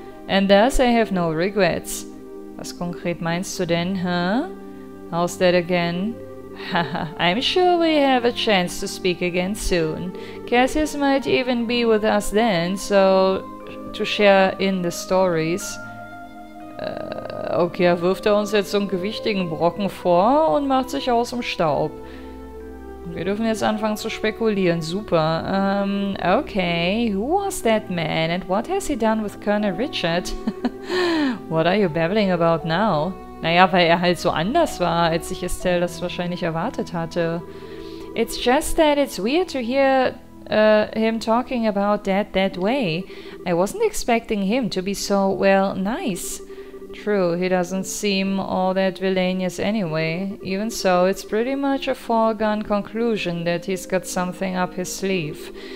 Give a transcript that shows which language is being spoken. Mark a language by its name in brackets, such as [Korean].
[English] And thus I have no regrets. [German] Was konkret meinst du denn, huh? [English] How's that again? Haha, I'm sure we have a chance to speak again soon. Cassius might even be with us then, so to share in the stories. [German] Okay, wirft er uns jetzt so einen gewichtigen Brocken vor und macht sich aus dem Staub. Wir dürfen jetzt anfangen zu spekulieren, super. [English] Okay, who was that man and what has he done with Colonel Richard? What are you babbling about now? [German] Naja, weil er halt so anders war, als ich Estelle das wahrscheinlich erwartet hatte. [English] It's just that it's weird to hear him talking about Dad that way. I wasn't expecting him to be so, well, nice. True, he doesn't seem all that villainous anyway. Even so, it's pretty much a foregone conclusion that he's got something up his sleeve.